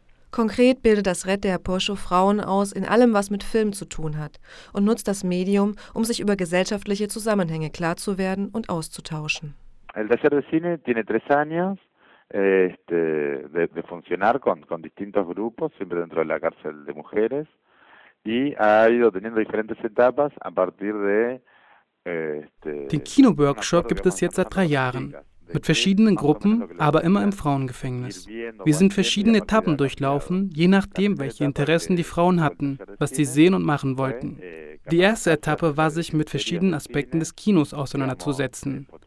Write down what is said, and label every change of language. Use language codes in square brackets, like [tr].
[de] Konkret bildet das Red de Apoyo Frauen aus in allem, was mit Film zu tun hat, und nutzt das Medium, um sich über gesellschaftliche Zusammenhänge klar zu werden und auszutauschen. [es] El taller de cine tiene 3 años. De funcionar con distintos grupos, siempre dentro de la cárcel de mujeres, y ha ido teniendo diferentes etapas a partir de... [de] Den Kino-Workshop gibt es jetzt seit 3 Jahren, mit verschiedenen Gruppen, aber immer im Frauengefängnis. Wir sind verschiedene Etappen durchlaufen, je nachdem, welche Interessen die Frauen hatten, was sie sehen und machen wollten. Die erste Etappe war, sich mit verschiedenen Aspekten des Kinos auseinanderzusetzen.